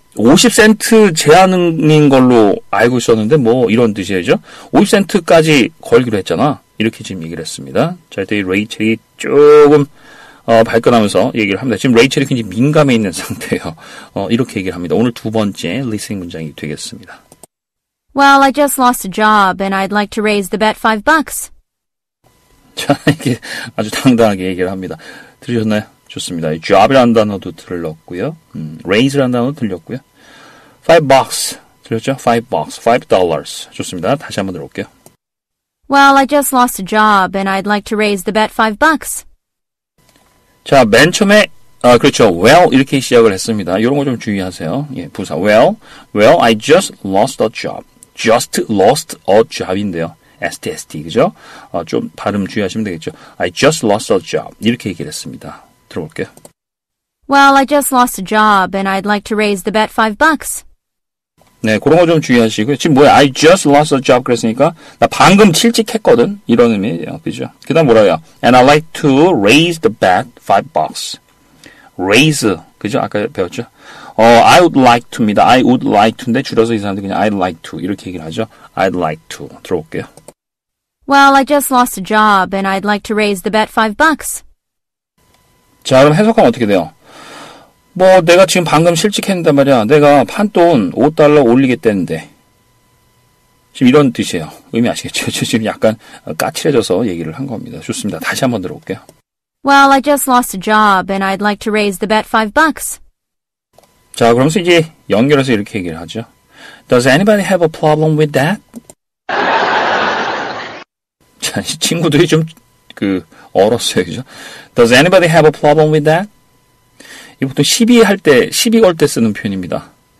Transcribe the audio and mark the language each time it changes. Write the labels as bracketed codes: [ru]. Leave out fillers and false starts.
[ko] 50센트 제한인 걸로 알고 있었는데, 뭐, 이런 뜻이죠? 50센트까지 걸기로 했잖아. 이렇게 지금 얘기를 했습니다. 자, 이때 레이첼이 조금, 발끈하면서 얘기를 합니다. 지금 레이첼이 굉장히 민감해 있는 상태예요. 이렇게 얘기를 합니다. 오늘 두 번째 listening 문장이 되겠습니다. [en] Well, I just lost a job, and I'd like to raise the bet $5. [ko] 자, 이게 아주 당당하게 얘기를 합니다. 들으셨나요? 좋습니다. job이라는 단어도 들렸고요. raise라는 단어도 들렸고요. $5. 들렸죠? $5. $5. 좋습니다. 다시 한번 들어볼게요. [en] Well, I just lost a job, and I'd like to raise the bet $5. [ko] 자, 맨 처음에 그렇죠. Well, 이렇게 시작을 했습니다. 이런 거 좀 주의하세요. 예, 부사. [en] Well, I just lost a job. Just lost a job인데요. STST, [ko] 그죠? 좀 발음 주의하시면 되겠죠. [en] I just lost a job. [ko] 이렇게 얘기를 했습니다. 들어볼게요. [en] Well, I just lost a job, and I'd like to raise the bet $5. [ko] 네, 그런 거 좀 주의하시고요. 지금 뭐야? [en] I just lost a job. [ko] 그랬으니까, 나 방금 실직했거든. [en] 이런 의미예요. 그죠? [ko] 그 다음 뭐라요? [en] And I'd like to raise the bet $5. raise, [ko] 그죠? 아까 배웠죠? [en] I would like to입니다. I would like to인데 [ko] 줄여서 이 사람들 그냥 [en] I'd like to [ko] 이렇게 얘기를 하죠. [en] I'd like to. [ko] 들어볼게요. [en] Well, I just lost a job and I'd like to raise the bet $5. [ko] 자, 그럼 해석하면 어떻게 돼요? 뭐, 내가 지금 방금 실직했는데 말이야. 내가 판돈 $5 올리겠다는데. 지금 이런 뜻이에요. 의미 아시겠죠? 지금 약간 까칠해져서 얘기를 한 겁니다. 좋습니다. 다시 한번 들어볼게요. [en] Well, I just lost a job, and I'd like to raise the bet $5. [ko] 자, 그러면서 이제 연결해서 이렇게 얘기를 하죠. [en] Does anybody have a problem with that? [ko] 자, 친구들이 좀 얼었어요, 그죠? [en] Does anybody have a problem with that? [ko] 이 보통 시비할 때, 시비 걸 때 쓰는 표현입니다.